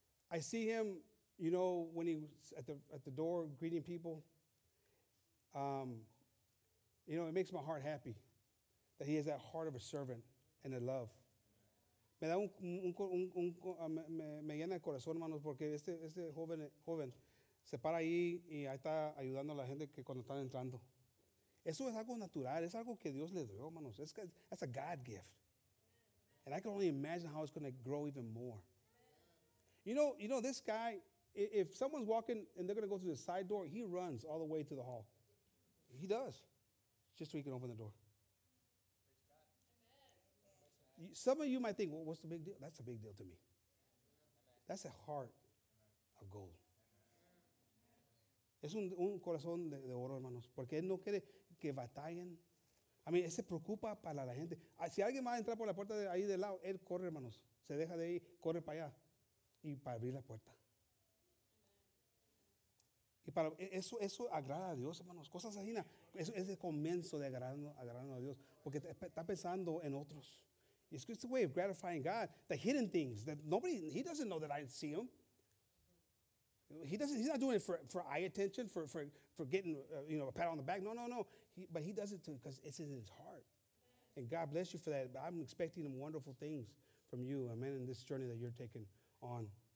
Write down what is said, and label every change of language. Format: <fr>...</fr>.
<en>I see him, you know, when he was at the door greeting people. You know, it makes my heart happy that he has that heart of a servant and a love.</en> <es>Me da me llena el corazón, hermanos, porque este joven se para ahí y ahí está ayudando a la gente que cuando están entrando. Eso es algo natural. Es algo que Dios le dio, hermanos.</es> <en>That's a God gift. And I can only imagine how it's going to grow even more. You know, this guy, if someone's walking and they're going to go through the side door, he runs all the way to the hall. He does. Just so he can open the door. Some of you might think, well, what's the big deal? That's a big deal to me. That's a heart of gold.</en> <es>Es un corazón de oro, hermanos. Porque él no quiere que batallen.</es> <en>I mean,</en> <es>él se preocupa para la gente. Si alguien va a entrar por la puerta de ahí del lado, él corre, hermanos. Se deja de ahí, corre para allá. Y para abrir la puerta. Y para eso agrada a Dios, hermanos. Cosas así, eso es el comienzo de agradando a Dios. Porque está pensando en otros.</es> <en>It's just a way of gratifying God. The hidden things that nobody, he doesn't know that I see him. He's not doing it for eye attention, for getting, you know, a pat on the back. No. But he does it because it's in his heart. And God bless you for that. But I'm expecting wonderful things from you, amen, in this journey that you're taking on.</en>